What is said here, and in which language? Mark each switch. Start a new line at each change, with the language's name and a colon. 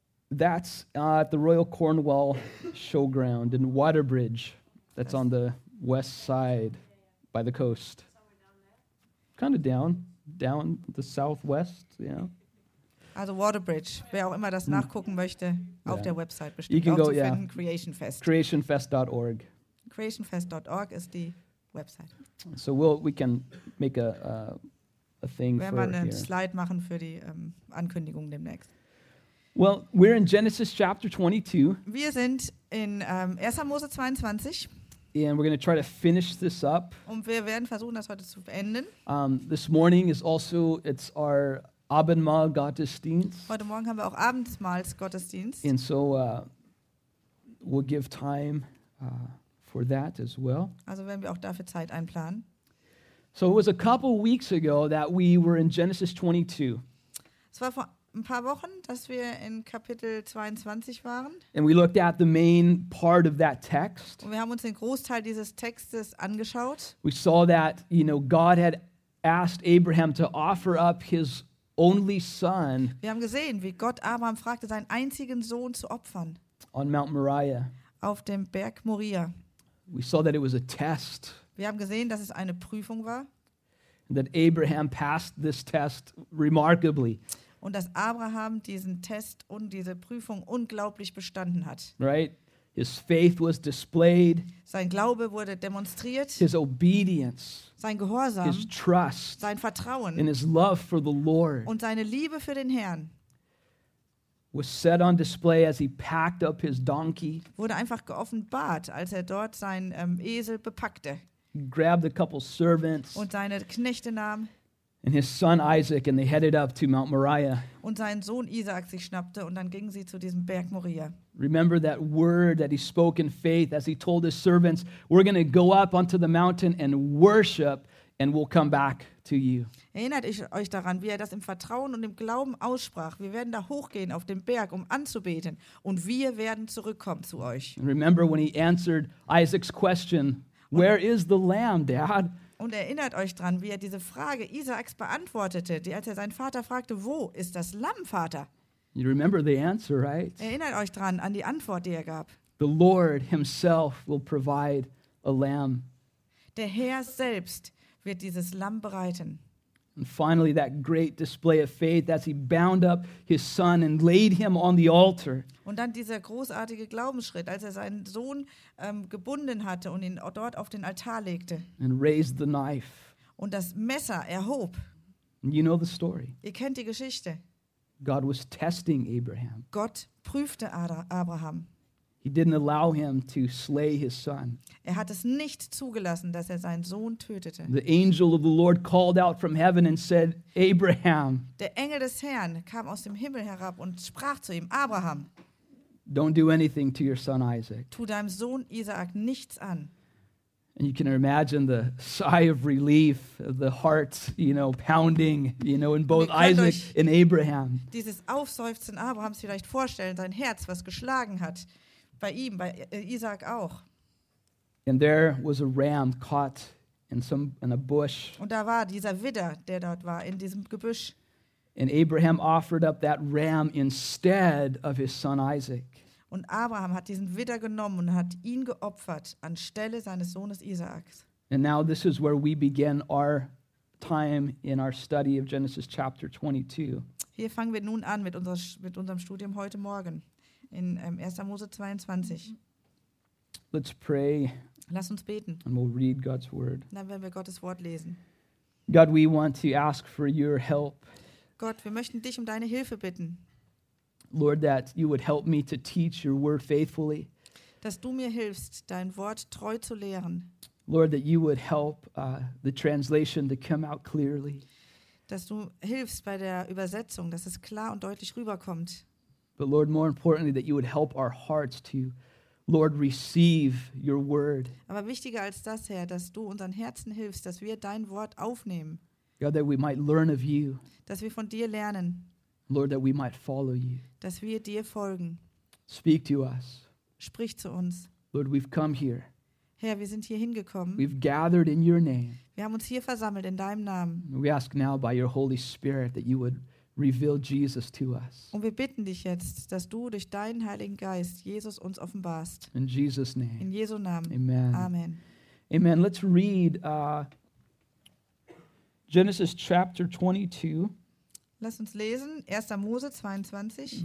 English: That's at the Royal Cornwall Showground in Waterbridge. That's on the west side by the coast. Kind of down the southwest, yeah.
German: Also Waterbridge, wer auch immer das nachgucken möchte, yeah. Auf der Website bestimmt auch go, zu finden, yeah.
English: Creation Fest. Creationfest.org.
German: Creationfest.org ist die Website.
English: So we can make a thing for here.
German: Werden wir einen Slide machen für die Ankündigung demnächst.
English: Well, we're in Genesis chapter 22.
German: Wir sind in 1. Mose 22.
English: And we're going to try to finish this up.
German: Und wir werden versuchen, das heute zu beenden.
English: This morning is also, it's our
German: Abendmahl Gottesdienst. Heute Morgen haben wir auch Abendmahls Gottesdienst.
English: And so we'll give time for that as well.
German: Also werden wir auch dafür Zeit einplanen.
English: So it was a couple weeks ago that we were in Genesis 22.
German: Es war vor ein paar Wochen, dass wir in Kapitel 22 waren.
English: And we looked at the main part of that text.
German: Und wir haben uns den Großteil dieses Textes angeschaut.
English: We saw that, you know, God had asked Abraham to offer up his only son.
German: Wir haben gesehen, wie Gott Abraham fragte, seinen einzigen Sohn zu opfern.
English: On Mount Moriah.
German: Auf dem Berg Moria.
English: We saw that it was a test.
German: Wir haben gesehen, dass es eine Prüfung war.
English: And that Abraham passed this test remarkably.
German: Und dass Abraham diesen Test und diese Prüfung unglaublich bestanden hat.
English: Right? His faith was displayed.
German: Sein Glaube wurde demonstriert.
English: His obedience.
German: Sein Gehorsam.
English: His trust.
German: Sein Vertrauen.
English: And his love for the Lord.
German: Und seine Liebe für den Herrn.
English: was set on display as he packed up his donkey.
German: Wurde einfach geoffenbart, als er dort seinen Esel bepackte.
English: Grabbed a couple servants.
German: Und seine Knechte nahm.
English: And his son Isaac, and they headed up to Mount Moriah.
German: Und sein Sohn Isaac sich schnappte, und dann gingen sie zu diesem Berg Moria.
English: Remember that word that he spoke in faith as he told his servants, "We're going to go up onto the mountain and worship, and we'll come back to you."
German: Erinnert euch daran, wie er das im Vertrauen und im Glauben aussprach. Wir werden da hochgehen auf den Berg, um anzubeten, und wir werden zurückkommen zu euch.
English: And remember when he answered Isaac's question, "Where is the lamb, Dad?"
German: Und erinnert euch dran, wie er diese Frage Isaaks beantwortete, als er seinen Vater fragte, wo ist das Lamm, Vater?
English: You remember the answer, right?
German: Erinnert euch dran an die Antwort, die er gab.
English: The Lord himself will provide a lamb.
German: Der Herr selbst wird dieses Lamm bereiten.
English: And finally, that great display of faith as he bound up his son and laid him on the altar.
German: Und dann dieser großartige Glaubensschritt, als er seinen Sohn gebunden hatte und ihn dort auf den Altar legte.
English: And raised the knife.
German: Und das Messer erhob.
English: And you know the story.
German: Ihr kennt die Geschichte.
English: God was testing Abraham.
German: Gott prüfte Abraham.
English: He didn't allow him to slay his son.
German: Er hat es nicht zugelassen, dass er seinen Sohn tötete.
English: The angel of the Lord called out from heaven and said, "Abraham."
German: Der Engel des Herrn kam aus dem Himmel herab und sprach zu ihm, Abraham.
English: Don't do anything to your son Isaac.
German: Tu deinem Sohn Isaak nichts an.
English: And you can imagine the sigh of relief, the heart, you know, pounding, you know, in both Isaac and Abraham.
German: Dieses Aufseufzen Abrahams vielleicht vorstellen, sein Herz, was geschlagen hat. Bei ihm, bei Isaak auch.
English: And there was a ram caught in a bush.
German: Und da war dieser Widder, der dort war, in diesem Gebüsch.
English: And Abraham offered up that ram instead of his son Isaac.
German: Und Abraham hat diesen Widder genommen und hat ihn geopfert anstelle seines Sohnes Isaaks.
English: And now this is where we begin our time in our study of Genesis chapter 22.
German: Hier fangen wir nun an mit unserem Studium heute Morgen. In 1. Mose 22.
English: Let's pray.
German: Lass uns beten.
English: And we'll read God's word.
German: Dann werden wir Gottes Wort lesen.
English: God, we want to ask for your help.
German: Gott, wir möchten dich um deine Hilfe bitten.
English: Lord, that you would help me to teach your word faithfully.
German: Dass du mir hilfst, dein Wort treu zu lehren.
English: Lord, that you would help the translation to come out clearly.
German: Dass du hilfst bei der Übersetzung, dass es klar und deutlich rüberkommt.
English: But Lord, more importantly, that you would help our hearts to, Lord, receive your word.
German: Aber wichtiger als das, Herr, dass du unseren Herzen hilfst, dass wir dein Wort aufnehmen.
English: God, that we might learn of you.
German: Dass wir von dir lernen.
English: Lord, that we might follow you.
German: Dass wir dir folgen.
English: Speak to us.
German: Sprich zu uns.
English: Lord, we've come here.
German: Herr, wir sind hier hingekommen.
English: We've gathered in your name.
German: Wir haben uns hier versammelt in deinem Namen.
English: We ask now by your Holy Spirit that you would reveal Jesus to us.
German: Und wir bitten dich jetzt, dass du durch deinen Heiligen Geist Jesus uns offenbarst.
English: In Jesus name.
German: In Jesu Namen.
English: Amen.
German: Amen.
English: Amen. Let's read Genesis chapter 22.
German: Lass uns lesen 1. Mose 22.